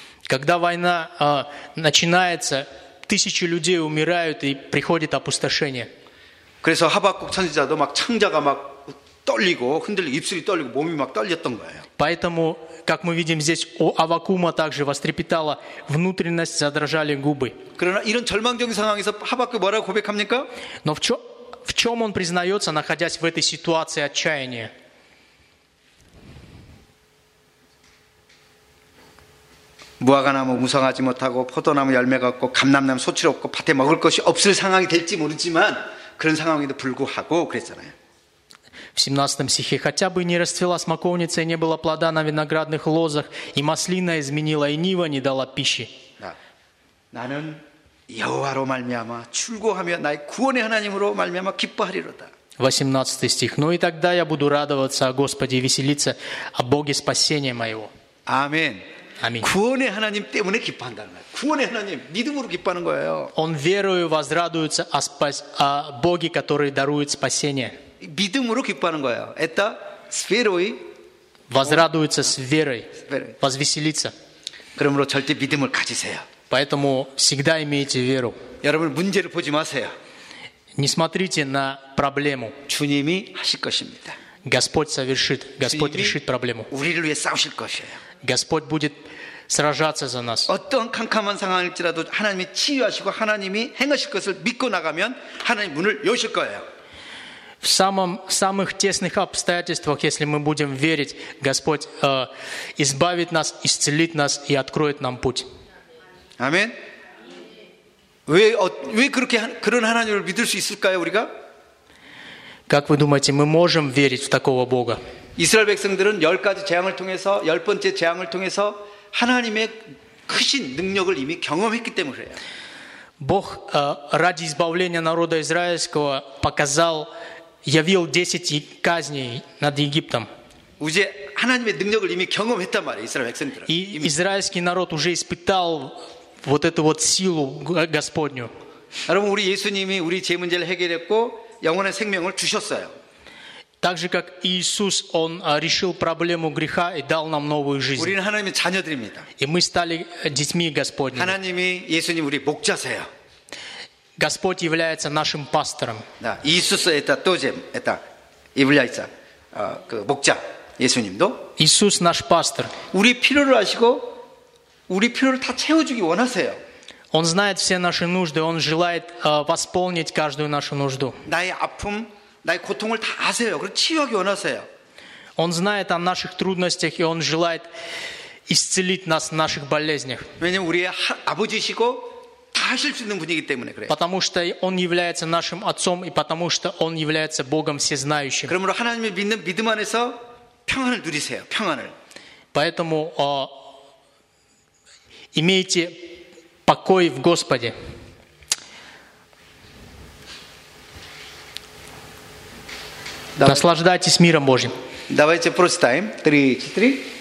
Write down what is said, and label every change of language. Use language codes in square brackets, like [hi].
[ru] Когда война начинается, тысячи людей умирают и приходит опустошение. [ko] 그래서 하박국 선지자도 막 창자가 막 떨리고 흔들리고 입술이 떨리고 몸이 막 떨렸던 거예요. [ru] Поэтому, как мы видим здесь, у Аввакума также вострепетала внутренность, задрожали губы. [ko] 그러나 이런 절망적인 상황에서 하박국 뭐라고 고백합니까? [ru] Но в чем он признается, находясь в этой ситуации отчаяния? [ko] 무화과나무 무성하지 못하고 포도나무 열매가 없고 감람나무 소출 없고 밭에 먹을 것이 없을 상황이 될지 모르지만 그런 상황에도 불구하고 그랬잖아요. [ru] В 17 стихе хотя бы не расцвела смоковница и не было плода на виноградных лозах и маслина изменила и нива не дала пищи. [ko] 나는 여호와로 말미암아 출고하며 나의 구원의 하나님으로 말미암아 기뻐하리로다. [ru] 18 стих. Но и тогда я буду радоваться о Господе и веселиться о Боге спасения моего. [ko] 아멘. 구원의 하나님 때문에 기뻐한다는 거예요. 구원의 하나님 믿음으로 기뻐하는 거예요. [ru] Он верою возрадуется о Боге, который дарует спасение. [ko] 믿음으로 기뻐하는 거예요. [ru] Это с верой. Возрадуется с верой. Возвеселится. [ko] 그러므로 절대 믿음을 가지세요. [ru] Поэтому всегда имейте веру. [ko] 여러분 문제를 보지 마세요. [ru] Не смотрите на проблему. [ko] 주님이 하실 것입니다. [ru] Господь совершит. Господь решит проблему. [ko] 우리를 위해 싸우실 것이에요. [ru] Господь будет сражаться за нас. [ko] 어떤 캄캄한 상황일지라도 하나님이 치유하시고 하나님이 행하실 것을 믿고 나가면 하나님 문을 여실 거예요. [ru] В самых тесных обстоятельствах, если мы будем верить, Господь избавит нас, исцелит нас и откроет нам путь. [ko] 아멘. 왜 그렇게 그런 하나님을 믿을 수 있을까요, 우리가? [ru] Как вы думаете, мы можем верить в такого Бога? [ko] 이스라엘 백성들은 열 가지 재앙을 통해서 열 번째 재앙을 통해서 하나님의 크신 능력을 이미 경험했기 때문에 그래요. [ru] Бог ради избавления народа израильского показал, явил 10 казней над Египтом. [ko] 이제 하나님의 능력을 이미 경험했단 말이에요, 이스라엘 백성들은. [ru] 이 이스라엘ский народ уже испытал вот эту вот силу Господню. [ko] 여러분, 우리 예수님이 우리 죄 문제를 해결했고 영원한 생명을 주셨어요. [ru] Так же, как Иисус, Он решил проблему греха и дал нам новую жизнь. [ko] 우리는 하나님의 자녀들입니다. [ru] И мы стали детьми Господними. [ko] 하나님이 예수님 우리 목자세요. [ru] Господь является нашим пастором. [ko] 네, 이수스 [ru] это тоже это является [ko] 그 목자 예수님도. [ru] Иисус наш пастор. [ko] 우리 필요를 아시고 우리 필요를 다 채워주기 원하세요. [ru] Он знает все наши нужды. Он желает восполнить каждую нашу нужду. [ko] 나의 아픔 나의 고통을 다 아세요. 그리고 치유하기 원하세요. [ru] Он знает о наших трудностях и он желает исцелить нас в наших болезнях. [ko] 왜냐면 우리의 아버지시고 다 하실 수 있는 분이기 때문에 그래요. [ru] Потому что он является нашим отцом и потому что он является Богом всезнающим. [ko] 그러므로 하나님을 믿는 믿음 안에서 평안을 누리세요. 평안을. [ru] Поэтому имейте покой в Господе. 다, Наслаждайтесь миром Божьим. Давайте прочитаем. 3-4.